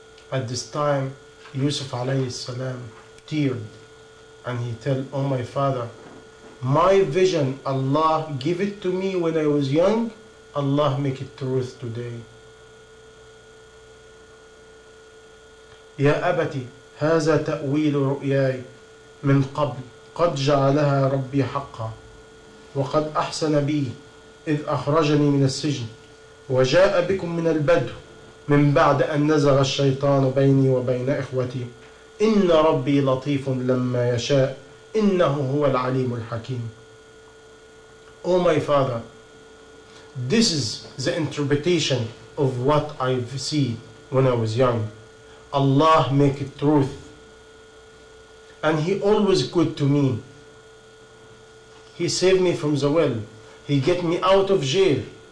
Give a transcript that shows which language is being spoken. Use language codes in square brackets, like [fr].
[en] At this time, Yusuf alayhi salam teared, and he tell, "Oh my father, my vision, Allah give it to me when I was young, Allah make it truth today. [ar] يا أبتي هذا تأويل رؤياي من قبل قد جعلها ربي حقا وقد أحسن بي إذ أخرجني من السجن وجاء بكم من البدو من بعد أن نزغ الشيطان بيني وبين إخوتي إن ربي لطيف لما يشاء إنه هو العليم الحكيم." [en] Oh my father, this is the interpretation of what I've seen when I was young. Allah make it truth. And he always good to me. He saved me from the well. He get me out of jail.